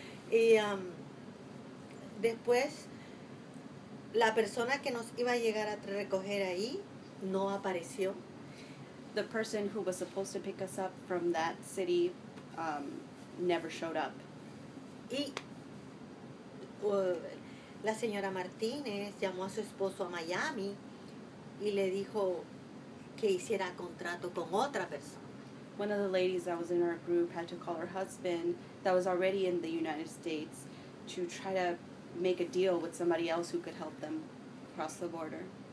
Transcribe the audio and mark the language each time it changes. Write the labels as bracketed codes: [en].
[es] Y después la persona que nos iba a llegar a recoger ahí no apareció. [en] The person who was supposed to pick us up from that city never showed up. [es] Y la señora Martínez llamó a su esposo a Miami y le dijo que hiciera contrato con otra persona. [en] One of the ladies that was in our group had to call her husband that was already in the United States to try to make a deal with somebody else who could help them cross the border.